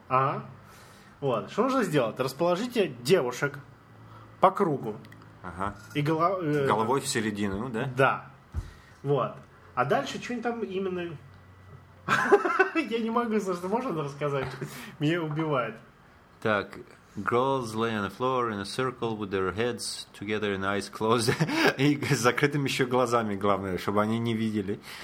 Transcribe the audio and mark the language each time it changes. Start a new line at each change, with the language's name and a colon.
Russian: Ага. Вот. Что нужно сделать? Расположите девушек по кругу. Ага. И головой в середину, ну, да? Да. Вот. А дальше что-нибудь там именно... Я не могу, что можно рассказать? Меня убивает. Так.
English: Girls lay on the floor in a circle with their heads together and eyes closed.
Russian: И с закрытыми еще глазами, главное, чтобы они не видели.